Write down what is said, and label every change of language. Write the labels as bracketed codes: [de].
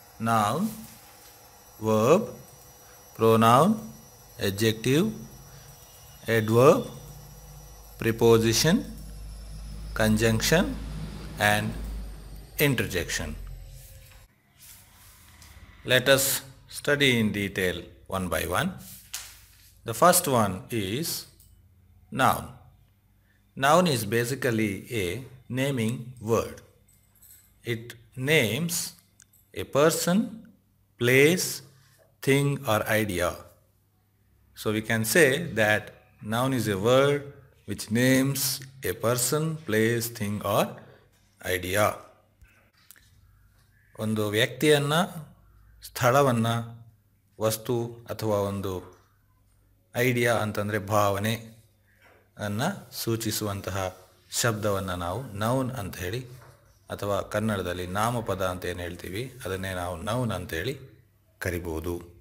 [en] Noun, verb, pronoun, adjective, adverb, preposition, conjunction and interjection. Let us study in detail one by one. The first one is noun. Noun is basically a naming word. It names a person, place, thing or idea. So we can say that noun is a word which names a person, place, thing or idea. [kn] ಒಂದು ವ್ಯಕ್ತಿಯನ್ನು, ಸ್ಥಳವನ್ನು, ವಸ್ತು ಅಥವಾ ಒಂದು idea ಅಂತಂದರೆ ಭಾವನೆ ಅನ್ನು ಸೂಚಿಸುವಂತಹ ಶಬ್ದವನ್ನು ನಾವು ನೌನ್ ಅಂತ ಹೇಳಿ ಅಥವಾ ಕನ್ನಡದಲ್ಲಿ ನಾಮಪದ ಅಂತ ಏನು ಹೇಳ್ತೀವಿ ಅದನ್ನೇ ನಾವು ನೌನ್ ಅಂತೇಳಿ ಕರಿಬೋದು.